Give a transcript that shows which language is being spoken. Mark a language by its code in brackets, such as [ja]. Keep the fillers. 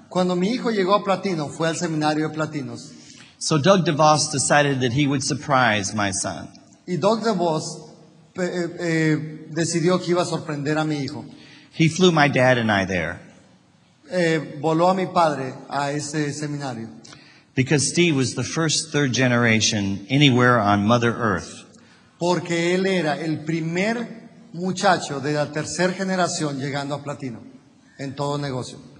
[es] Cuando mi hijo llegó a platino, fue al seminario de platinos. [en] So Doug DeVos decided that he would surprise my son. [es] Y Doug DeVos eh, eh, decidió que iba a sorprender a mi hijo. [en] He flew my dad and I there. [es] Eh, voló a mi padre a ese seminario. [en] Because Steve was the first third generation anywhere on Mother Earth. [es] Porque él era el primer muchacho de la tercera generación llegando a platino en todo negocio.